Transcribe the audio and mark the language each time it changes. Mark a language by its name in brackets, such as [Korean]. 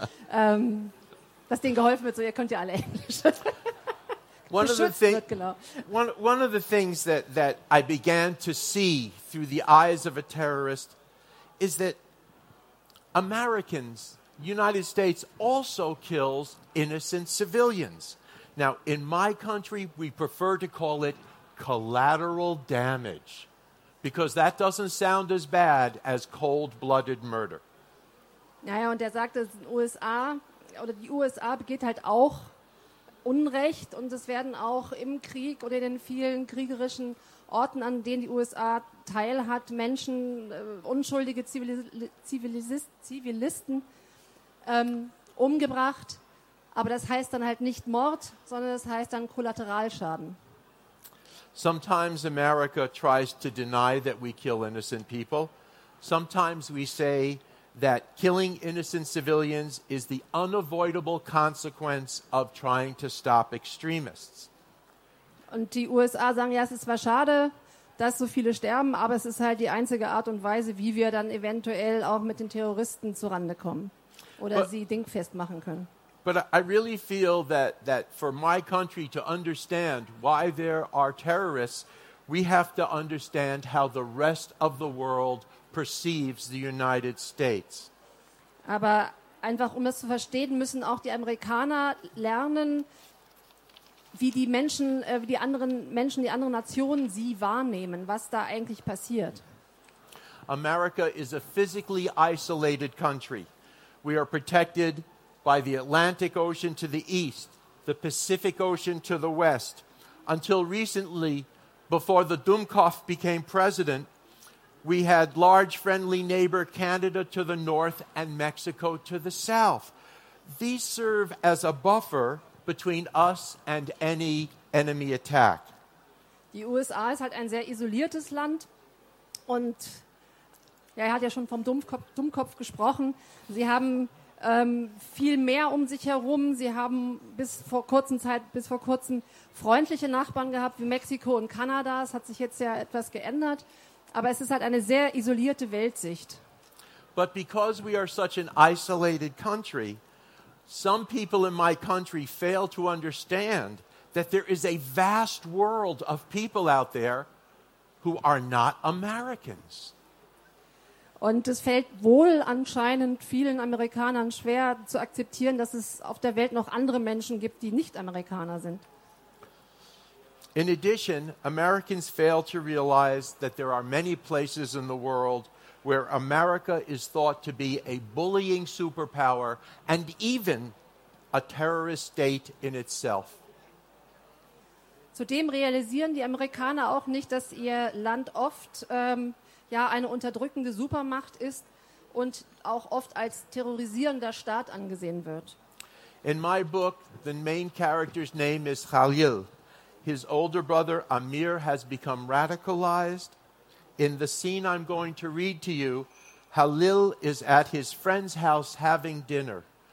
[German] dass denen geholfen wird, so ihr könnt ja alle Englisch. [English] One of the things that I began to see through the eyes of a terrorist is that Americans, United States, also kills innocent civilians. Now, in my country, we prefer to call it collateral damage, because that doesn't sound as bad as cold-blooded murder. [German] Naja, und er sagt, dass in USA oder die USA begeht halt auch Unrecht, und es werden auch im Krieg oder in den vielen kriegerischen Orten, an denen die USA teilhat, Menschen, unschuldige Zivilisten umgebracht. Aber das heißt dann halt nicht Mord, sondern das heißt dann Kollateralschaden. [English] Sometimes America tries to deny that we kill innocent people. Sometimes we say that killing innocent civilians is the unavoidable consequence of trying to stop extremists. [German] Und die USA sagen, ja, es ist zwar schade, dass so viele sterben, aber es ist halt die einzige Art und Weise, wie wir dann eventuell auch mit den Terroristen zurande kommen oder sie dingfest machen können. [English] But I really feel that for my country to understand why there are terrorists, we have to understand how the rest of the world perceives the United States. [German] Aber einfach um das zu verstehen, müssen auch die Amerikaner lernen, wie die Menschen, wie die anderen Menschen, die anderen Nationen sie wahrnehmen, was da eigentlich passiert. [English] America is a physically isolated country. We are protected by the Atlantic Ocean to the east, the Pacific Ocean to the west. Until recently, before the Dumkopf became president, we had large friendly neighbor Canada to the north and Mexico to the south. These serve as a buffer between us and any enemy attack. [German] Die USA ist halt ein sehr isoliertes Land, und ja, er hat ja schon vom Dumkopf gesprochen. Sie haben viel mehr um sich herum. Sie haben bis vor kurzem freundliche Nachbarn gehabt wie Mexiko und Kanada. Es hat sich jetzt ja etwas geändert, aber es ist halt eine sehr isolierte Weltsicht. [English] But because we are such an isolated country, some people in my country fail to understand that there is a vast world of people out there who are not Americans. [German] Und es fällt wohl anscheinend vielen Amerikanern schwer zu akzeptieren, dass es auf der Welt noch andere Menschen gibt, die nicht Amerikaner sind. [English] In addition, Americans fail to realize that there are many places in the world where America is thought to be a bullying superpower and even a terrorist state in itself. [German] Zudem realisieren die Amerikaner auch nicht, dass ihr Land oft eine unterdrückende Supermacht ist und auch oft als terrorisierender Staat angesehen wird. [English] In my book, the main character's name is Khalil. His older brother Amir has become radicalized. In the scene I'm going to read to you, Khalil is at his friend's house having dinner.